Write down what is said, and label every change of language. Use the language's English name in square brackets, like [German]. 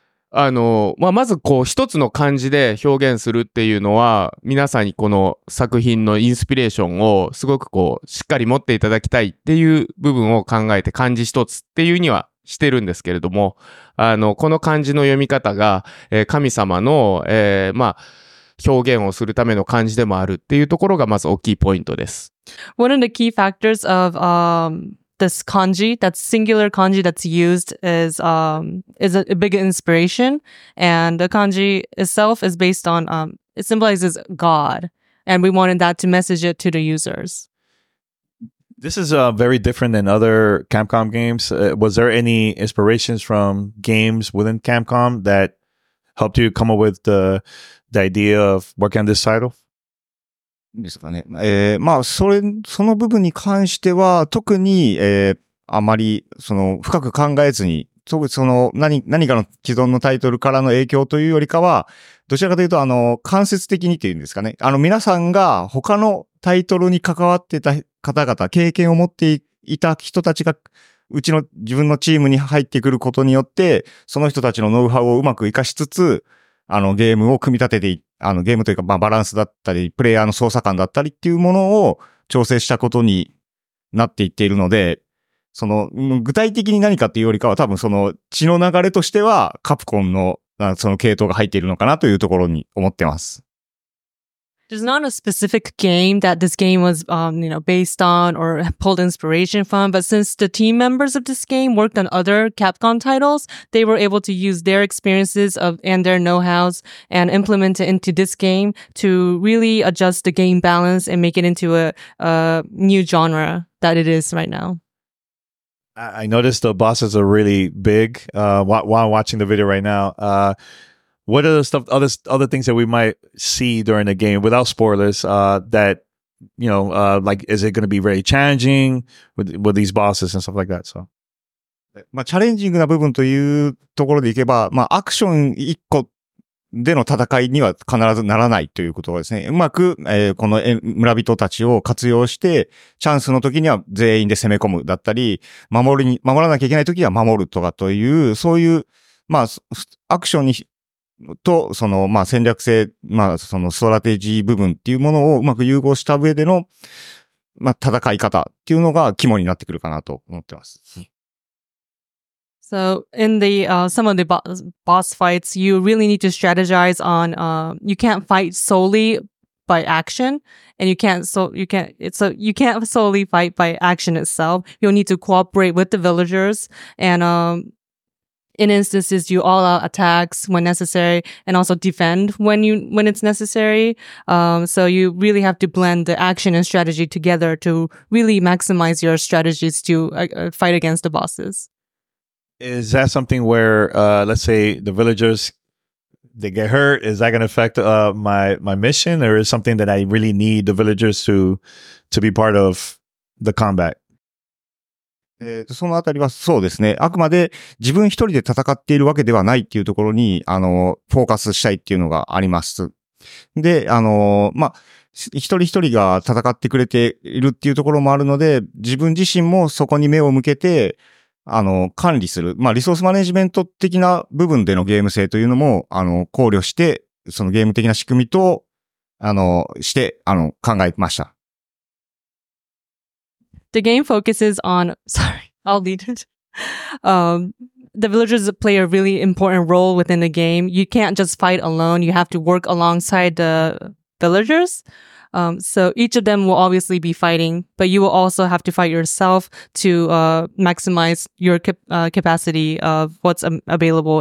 [Japanese] まあ、まずこう一つの漢字で表現するっていうのは皆さんにこの作品のインスピレーションをすごくこうしっかり持っていただきたいっていう部分を考えて漢字一つっていうにはしてるんですけれどもこの漢字の読み方が、神様の、まあ、表現をするための漢字でもあるっていうところがまず大きいポイントです。 [English] One of the key factors of this kanji, that singular kanji that's used is a big inspiration. And the kanji itself is based on, it symbolizes God. And we wanted that to message it to the users. This is very different than other Capcom games. Was there any inspirations from games within Capcom that helped you come up with the idea of working on this title? [Japanese] ですかね。まあ、その部分に関しては、特に、あまり、深く考えずに、特にその、何かの既存のタイトルからの影響というよりかは、どちらかというと、間接的にというんですかね。皆さんが他のタイトルに関わってた方々、経験を持っていた人たちが、うちの自分のチームに入ってくることによって、その人たちのノウハウをうまく活かしつつ、ゲームを組み立てていって、ゲームというか、まあ、バランスだったり、プレイヤーの操作感だったりっていうものを調整したことになっていっているので、具体的に何かっていうよりかは、多分その血の流れとしては、カプコンの、その系統が入っているのかなというところに思ってます。 [English] There's not a specific game that this game was, based on or pulled inspiration from, but since the team members of this game worked on other Capcom titles, they were able to use their experiences of and their know-hows and implement it into this game to really adjust the game balance and make it into a new genre that it is right now. I noticed the bosses are really big while watching the video right now. What are the stuff, other things that we might see during the game without spoilers, that, like, is it going to be very challenging with these bosses and stuff like that? So, [Japanese] まあ、チャレンジングな部分というところでいけば、まあ、アクション一個での戦いには必ずならないということですね。うまく、この村人たちを活用して、チャンスの時には全員で攻め込むだったり、守らなきゃいけない時には守るとかという、そういう、まあ、アクションにと、まあ、戦略性、まあ、ストラテジー部分っていうものをうまく融合した上での、まあ、戦い方っていうのが肝になってくるかなと思ってます。 [English] So, in the, some of the boss fights, you really need to strategize on, you can't fight solely by action, and you can't solely fight by action itself. You'll need to cooperate with the villagers, and, in instances, you all out attacks when necessary and also defend when it's necessary. So you really have to blend the action and strategy together to really maximize your strategies to fight against the bosses. Is that something where, let's say the villagers, they get hurt? Is that going to affect my mission, or is something that I really need the villagers to be part of the combat? [Japanese] そのあたりはそうですね。あくまで自分一人で戦っているわけではないっていうところに、フォーカスしたいっていうのがあります。で、まあ、一人一人が戦ってくれているっていうところもあるので、自分自身もそこに目を向けて、管理する。まあ、リソースマネジメント的な部分でのゲーム性というのも、考慮して、そのゲーム的な仕組みと、して、考えました。 [English] The game focuses on, the villagers play a really important role within the game. You can't just fight alone. You have to work alongside the villagers. So each of them will obviously be fighting, but you will also have to fight yourself to maximize your capacity of what's available.